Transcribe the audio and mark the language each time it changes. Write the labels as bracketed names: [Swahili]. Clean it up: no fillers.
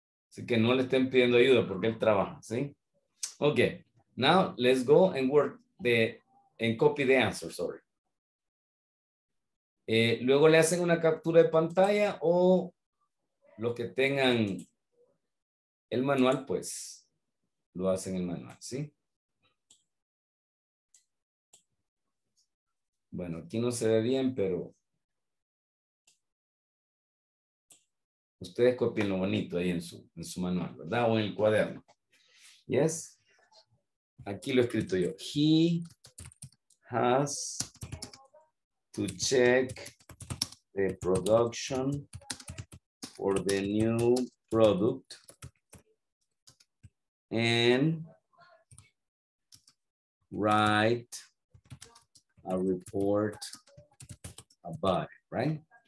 [Spanish] Así que no le estén pidiendo ayuda porque él trabaja, ¿sí? [English] Okay. Now let's go and work the and copy the answer, sorry. [Spanish] Luego le hacen una captura de pantalla o los que tengan el manual, pues lo hacen el manual, ¿sí? Bueno, aquí no se ve bien, pero ustedes copien lo bonito ahí en su manual, ¿verdad? O en el cuaderno. ¿Yes? Aquí lo he escrito yo. [English] He has to check the production for the new product and write a report about it, right?